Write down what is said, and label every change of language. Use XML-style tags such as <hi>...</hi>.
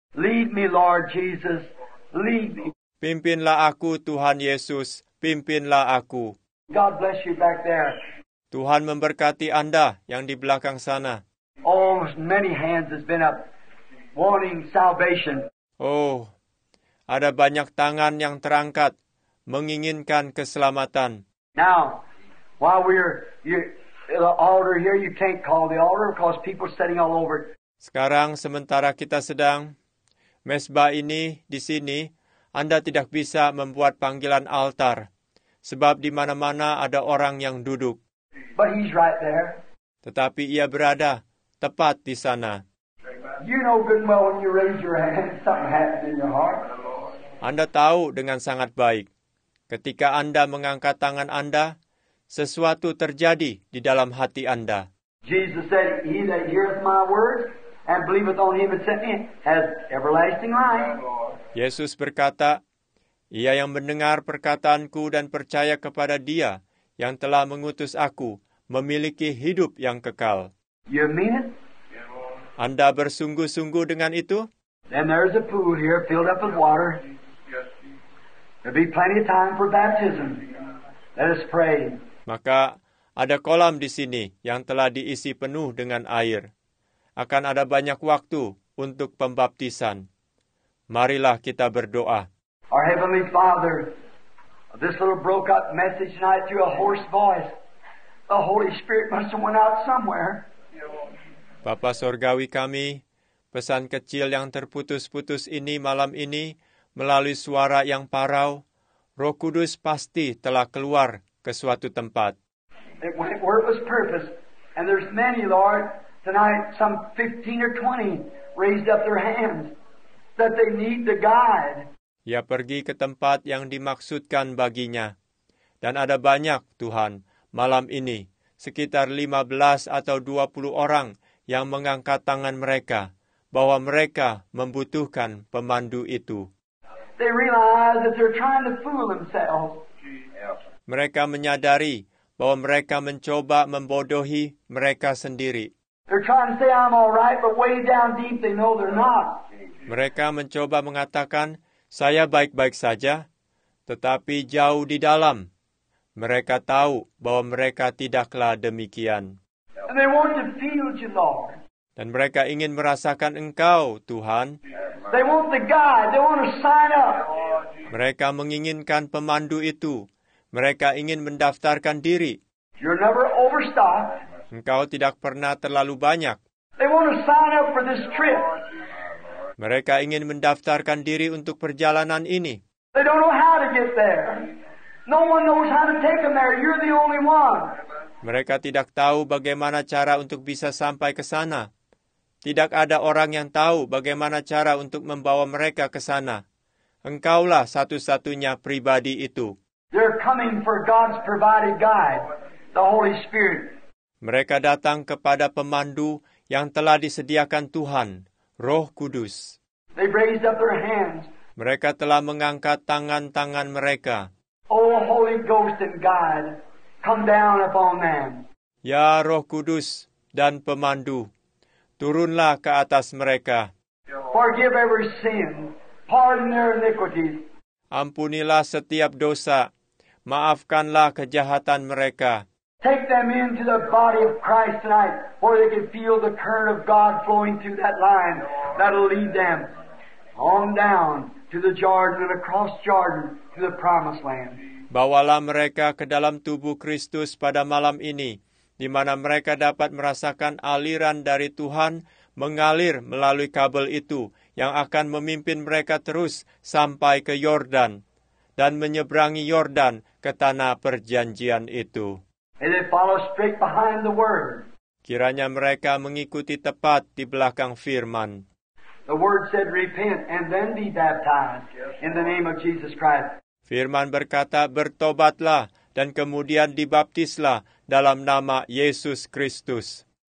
<en>Lead me, Lord Jesus. Lead me.</en> <id>Pimpinlah aku, Tuhan Yesus. Pimpinlah aku.</id> <en>God bless you back there.</en> <id>Tuhan memberkati Anda yang di belakang sana.</id> <en>Oh, many hands has been up wanting salvation.</en> <id>Oh, ada banyak tangan yang terangkat menginginkan keselamatan.</id> <en>Now, while the altar here, you can't call the altar because people are sitting all over.</en> <id>Sekarang sementara kita sedang mesbah ini di sini, Anda tidak bisa membuat panggilan altar sebab di mana-mana ada orang yang duduk.</id> <en>But he's right there.</en> <id>Tetapi ia berada tepat di sana.</id> <en>You know good and well when you raise your hand, something happens in your heart.</en> <id>Anda tahu dengan sangat baik ketika Anda mengangkat tangan Anda, sesuatu terjadi di dalam hati Anda.</id> <en>Jesus said, he that heareth my words and believeth on him that sent me has everlasting life.</en> <id>Yesus berkata, ia yang mendengar perkataanku dan percaya kepada dia yang telah mengutus aku, memiliki hidup yang kekal.</id> <en>You mean it?</en> <id>Anda bersungguh-sungguh dengan itu?</id> <en>Then there's a pool here filled up with water. There'll be plenty of time for baptism. Let us pray.</en> <id>Maka ada kolam di sini yang telah diisi penuh dengan air. Akan ada banyak waktu untuk pembaptisan. Marilah kita berdoa.</id> <en>Our Heavenly Father, this little broke up message tonight through a hoarse voice. The Holy Spirit must have went out somewhere.</en> <id>Bapa Sorgawi kami, pesan kecil yang terputus-putus ini malam ini melalui suara yang parau, Roh Kudus pasti telah keluar ke suatu tempat.</id> <en>It went where it was purpose. And there's many, Lord, tonight, some 15 or 20 raised up their hands that they need the guide.</en> <id>Ia pergi ke tempat yang dimaksudkan baginya. Dan ada banyak, Tuhan, malam ini, sekitar 15 atau 20 orang yang mengangkat tangan mereka, bahwa mereka membutuhkan pemandu itu.</id> <en>They realize that they're trying to fool themselves.</en> <id>Mereka menyadari bahwa mereka mencoba membodohi mereka sendiri.</id> <en>They're trying to say I'm all right, but way down deep they know they're not.</en> <id>Mereka mencoba mengatakan, saya baik-baik saja, tetapi jauh di dalam, mereka tahu bahwa mereka tidaklah demikian.</id> <en>And they want to feel you, Lord.</en> <id>Dan mereka ingin merasakan Engkau, Tuhan.</id> <en>They want the guide. They want to sign up.</en> <id>Mereka menginginkan pemandu itu. Mereka ingin mendaftarkan diri.</id> <en>You're never overstocked.</en> <id>Engkau tidak pernah terlalu banyak.</id> <en>They want to sign up for this trip.</en> <id>Mereka ingin mendaftarkan diri untuk perjalanan ini.</id> <en>They don't know how to get there. No one knows how to take them there. You're the only one.</en> <id>Mereka tidak tahu bagaimana cara untuk bisa sampai ke sana. Tidak ada orang yang tahu bagaimana cara untuk membawa mereka ke sana. Engkaulah satu-satunya pribadi itu.</id> <en>They're coming for God's provided guide, the Holy Spirit.</en> <id>Mereka datang kepada pemandu yang telah disediakan Tuhan, Roh Kudus.</id> <en>They've raised up their hands.</en> <id>Mereka telah mengangkat tangan-tangan mereka.</id> <en>Oh, Holy Ghost and guide, come down upon them.</en> <id>Ya Roh Kudus dan pemandu, turunlah ke atas mereka.</id> <en>Forgive every sin, pardon their iniquities.</en> <id>Ampunilah setiap dosa, maafkanlah kejahatan mereka.</id> <en>Take them into the body of Christ tonight, where they can feel the current of God flowing through that line that'll lead them on down to the Jordan and across Jordan to the promised land.</en> <id>Bawalah mereka ke dalam tubuh Kristus pada malam ini, di mana mereka dapat merasakan aliran dari Tuhan mengalir melalui kabel itu yang akan memimpin mereka terus sampai ke Yordan dan menyeberangi Yordan ke tanah perjanjian itu.</id> <en>And it follows straight behind the word.</en> <id>Kiranya mereka mengikuti tepat di belakang firman.</id> <en>The word said repent and then be baptized in the name of Jesus Christ.</en> <id>Firman berkata, bertobatlah dan kemudian dibaptislah dalam nama Yesus Kristus.</id>